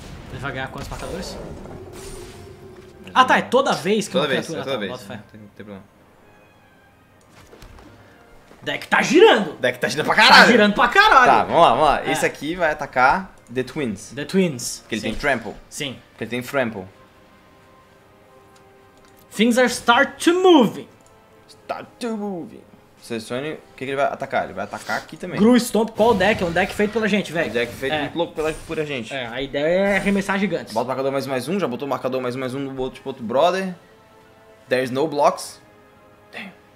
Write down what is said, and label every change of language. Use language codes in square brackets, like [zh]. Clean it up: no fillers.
[pt] Ele vai ganhar quantos marcadores? Ah, tá. É toda vez que toda uma vez, criatura... É toda vez. Bota fé. Não tem problema. Deck tá girando! Deck tá girando pra caralho! Tá girando pra caralho! Tá, vamos lá. É. Esse aqui vai atacar The Twins. [en] The Twins. [pt] Que ele tem Trample. Sim. Que ele tem Trample. [en] Things are start to moving. Start to moving. [pt] Selecione o que ele vai atacar. Ele vai atacar aqui também. Gru Stomp, qual deck? É um deck feito pela gente, velho. Deck feito muito louco por a gente. É, a ideia é arremessar gigantes. Bota o marcador mais um. Já botou o marcador mais um no outro, tipo outro brother. [en] There's no blocks. Damn.